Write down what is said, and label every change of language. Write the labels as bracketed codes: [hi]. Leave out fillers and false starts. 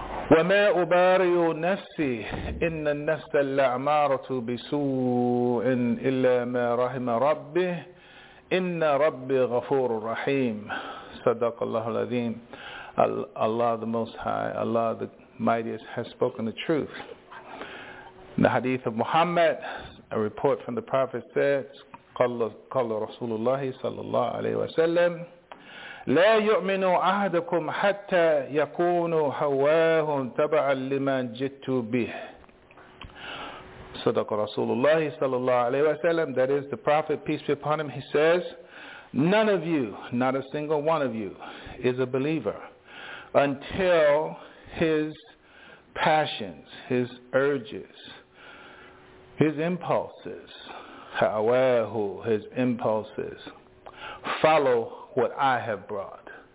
[ar] وَمَا أُبَارِيُ نَفْسِي إِنَّ النَّفْسَ اللَّعْمَارَةُ بِسُوءٍ إِلَّا مَا رَحِمَ رَبِّهِ إِنَّ رَبِّي غَفُورٌ رَحِيمٌ. صدق الله العظيم. [en] Allah the Most High, Allah the Mightiest has spoken the truth. In the hadith of Muhammad, a report from the Prophet says, [ar] قَالَ رَسُولُ اللَّهِ صَلَّى اللَّهُ عَلَيْهِ وَسَلَّمْ لا يؤمن أحدكم حتى يكون هواه تبعا لما جئت به. صدق رسول الله صلى الله عليه وسلم. [en] That is the Prophet, peace be upon him. He says, none of you, not a single one of you, is a believer until his passions, his urges, his impulses, هواه, his impulses, follow what I have brought.